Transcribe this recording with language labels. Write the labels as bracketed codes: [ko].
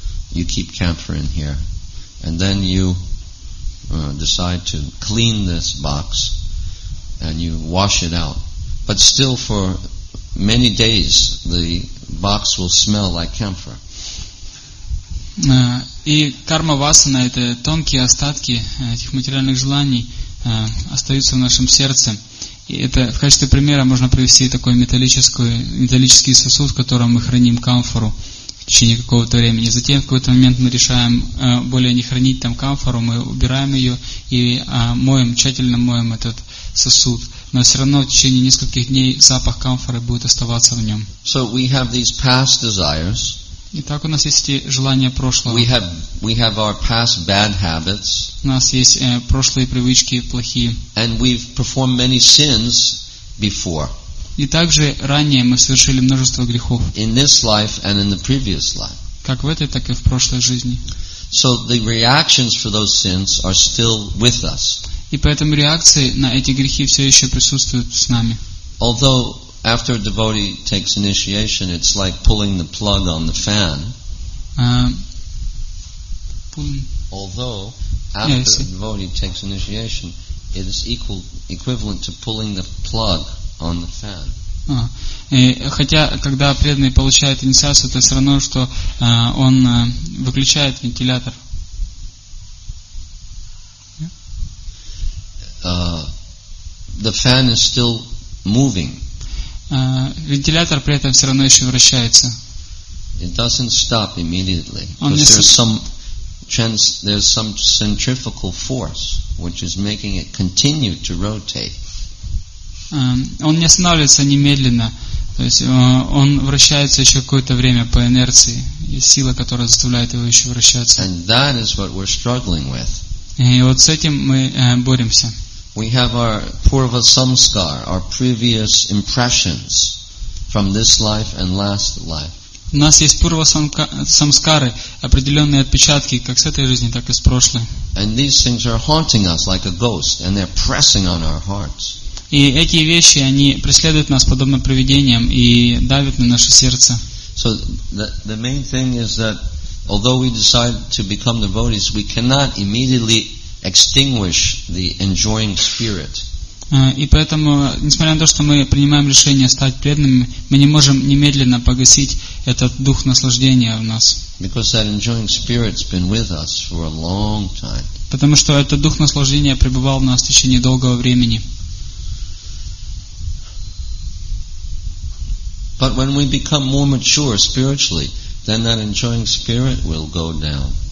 [en] You keep camphor in here, and then you decide to clean this box and you wash it out. But still, for many days, the box will smell like camphor. [ru] И карма васана — это тонкие остатки этих материальных желаний остаются в нашем сердце. И это в качестве примера можно привести такой металлический сосуд, в котором мы храним камфору в течение какого-то времени. Затем в какой-то момент мы решаем более не хранить там камфору, мы убираем ее и тщательно моем этот сосуд. Но все равно в течение нескольких дней запах камфоры будет оставаться в нем. [en] So we have these past desires. [ru] Итак, у нас есть эти желания прошлого. [en] We have our past bad habits. [ru] У нас есть прошлые привычки плохие. [en] And we've performed many sins before. [ru] И также ранее мы совершили множество грехов. [en] In this life and in the previous life. [ru] Как в этой, так и в прошлой жизни. [en] So the reactions for those sins are still with us. [ru] И поэтому реакции на эти грехи все еще присутствуют с нами. [en] Although after a devotee takes initiation, it's like pulling the plug on the fan. Although after a devotee takes initiation, it is equivalent to pulling the plug on the fan. [ru] Хотя когда преданный получает инициацию, это все равно, что он выключает вентилятор. [en] The fan is still moving. [ru] Вентилятор при этом все равно еще вращается. [en] It doesn't stop immediately, because there's some centrifugal force which is making it continue to rotate. [ru] Он не останавливается немедленно, то есть он вращается еще какое-то время по инерции, и сила, которая заставляет его еще вращаться. [en] And that is what we're struggling with. [ru] И вот с этим мы боремся. [en] We have our purva samskar, our previous impressions from this life and last life. [ru] У нас есть purva samskары, определенные отпечатки как с этой жизни, так и с прошлой. [en] And these things are haunting us like a ghost, and they're pressing on our hearts. [ru] И эти вещи, они преследуют нас подобно привидениям и давят на наше сердце. [en] So the main thing is that although we decide to become devotees, we cannot immediately extinguish the enjoying spirit. [ru] И поэтому, несмотря на то, что мы принимаем решение стать преданными, мы не можем немедленно погасить этот дух наслаждения в нас. [en] Because that enjoying spirit's been with us for a long time. [ru] Потому что этот дух наслаждения пребывал в нас в течение долгого времени. [en] But when we become more mature spiritually, then that enjoying spirit will go down.